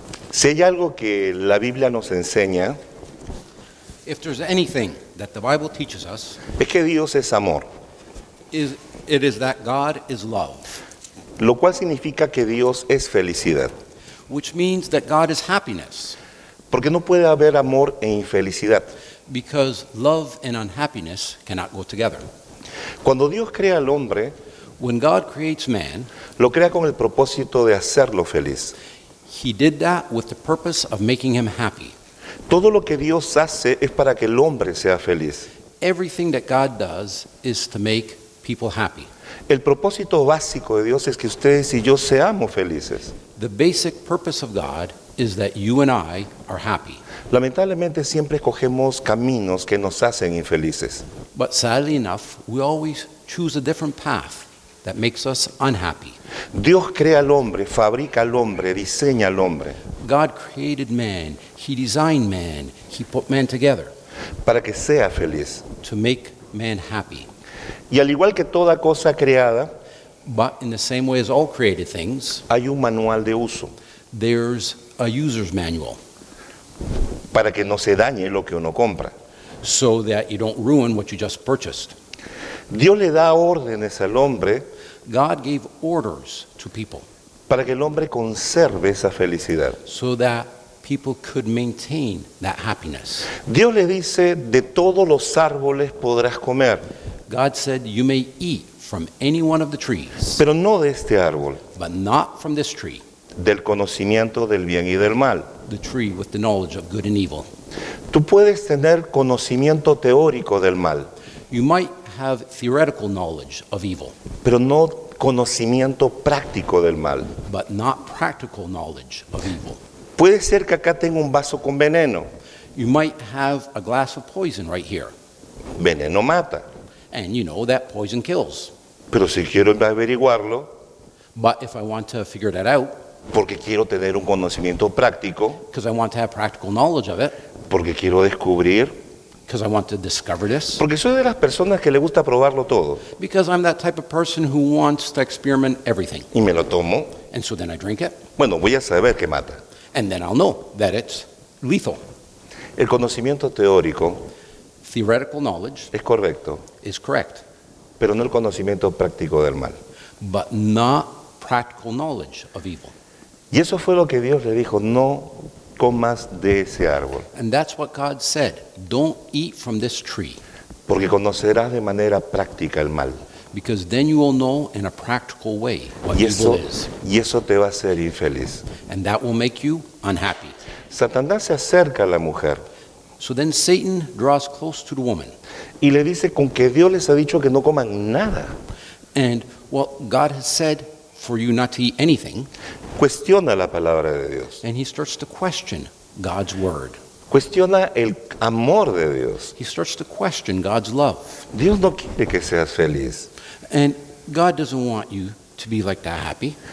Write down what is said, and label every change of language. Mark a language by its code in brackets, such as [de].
[es] Si hay algo que la Biblia nos enseña, [en] if there's anything that the Bible teaches us, [es] es que Dios es amor. [en] It is that God is love. [es] Lo cual significa que Dios es felicidad. [en] Which means that God is happiness. [es] Porque no puede haber amor e infelicidad. [en] Because love and unhappiness cannot go together. [es] Cuando Dios crea al hombre, [en] when God creates man, [es] lo crea con el propósito de hacerlo feliz. [en] He did that with the purpose of making him happy. [es] Todo lo que Dios hace es para que el hombre sea feliz. [en] Everything that God does is to make people happy. [es] El propósito básico de Dios es que ustedes y yo seamos felices. [en] The basic purpose of God is that you and I are happy. [es] Lamentablemente siempre escogemos caminos que nos hacen infelices. [en] But sadly enough, we always choose a different path that makes us unhappy. [es] Dios crea al hombre, fabrica al hombre, diseña al hombre. [en] God created man, he designed man, he put man together. [es] Para que sea feliz. [en] To make man happy. [es] Y al igual que toda cosa creada, [en] but in the same way as all created things, [es] hay un manual de uso. [en] There's a user's manual. [es] Para que no se dañe lo que uno compra. [en] So that you don't ruin what you just purchased. [es] Dios le da órdenes al hombre. [en] God gave orders to people. [es] Para que el hombre conserve esa felicidad. [en] So that people could maintain that happiness. [es] Dios le dice, de todos los árboles podrás comer. [en] God said, you may eat from any one of the trees. [es] Pero no de este árbol. [en] But not from this tree. [es] Del conocimiento del bien y del mal. [en] The tree with the knowledge of good and evil. [es] Tú puedes tener conocimiento teórico del mal. [en] You might have theoretical knowledge of evil. [es] Pero no conocimiento práctico del mal. [en] But not practical knowledge of evil. [es] Puede ser que acá tenga un vaso con veneno. [en] You might have a glass of poison right here. [es] Veneno mata. [en] And you know that poison kills. [es] Pero si quiero averiguarlo, [en] but if I want to figure that out, [es] porque quiero tener un conocimiento práctico, [en] because I want to have practical knowledge of it, [es] porque quiero descubrir, [en] because I want to discover this, [es] porque soy de las personas que le gusta probarlo todo, [en] because I'm that type of person who wants to experiment everything. [es] Y me lo tomo. [en] And so then I drink it. [es] Bueno, voy a saber qué mata. [en] And then I'll know that it's lethal. [es] El conocimiento teórico, [en] theoretical knowledge, [es] es correcto. [en] Is correct. [es] Pero no el conocimiento práctico del mal. [en] But not practical knowledge of evil. [es] Y eso fue lo que Dios le dijo, no comas de ese árbol. [en] And that's what God said, don't eat from this tree. [es] Porque conocerás de manera práctica el mal. [en] Because then you will know in a practical way what evil is. [es] Y eso te va a hacer infeliz. [en] And that will make you unhappy. [es] Satanás se acerca a la mujer. [en] So then Satan draws close to the woman. [es] Y le dice con que Dios les ha dicho que no coman nada. [en] And well, God has said for you not to eat anything. [es] Cuestiona la palabra de Dios. [en] And he starts to question God's word. [es] Cuestiona el amor de Dios. [en] He starts to question God's love. [es] Dios no quiere que seas feliz. [en] And God doesn't want you to be like that happy.